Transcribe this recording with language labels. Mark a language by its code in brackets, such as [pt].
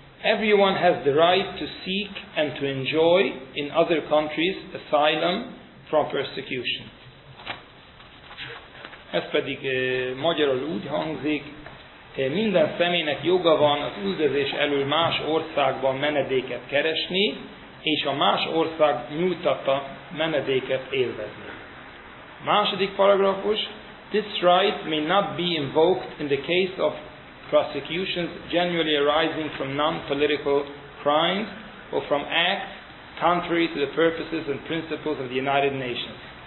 [en] Everyone has the right to seek and to enjoy in other countries asylum from persecution. [hu] Ez pedig magyarul úgy hangzik, minden személynek joga van az üldözés elől más országban menedéket keresni, és a más ország nyújtatta menedéket élvezni. Második paragrafus, [en] this right may not be invoked in the case of prosecutions genuinely arising from non-political crimes or from acts contrary to the purposes and principles of the United Nations.